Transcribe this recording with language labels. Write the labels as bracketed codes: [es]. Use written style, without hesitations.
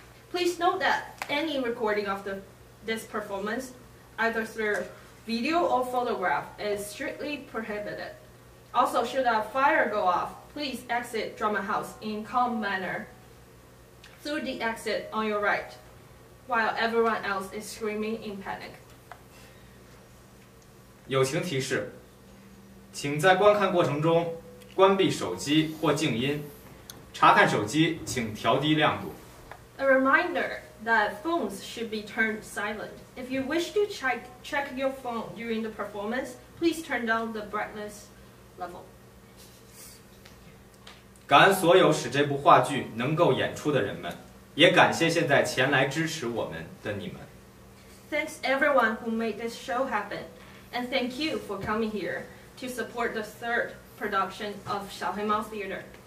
[en] Please note that any recording of this performance, either through video or photograph, is strictly prohibited. Also, should a fire go off, please exit Drama House in calm manner through the exit on your right, while everyone else is screaming in panic. [zh] 友情提示，请在观看过程中关闭手机或静音，查看手机请调低亮度。 [en] A reminder that phones should be turned silent. If you wish to check your phone during the performance, please turn down the brightness level. [zh] 感恩所有使这部话剧能够演出的人们，也感谢现在前来支持我们的你们。 [en] Thanks everyone who made this show happen, and thank you for coming here to support the third production of 小黑猫 Theater.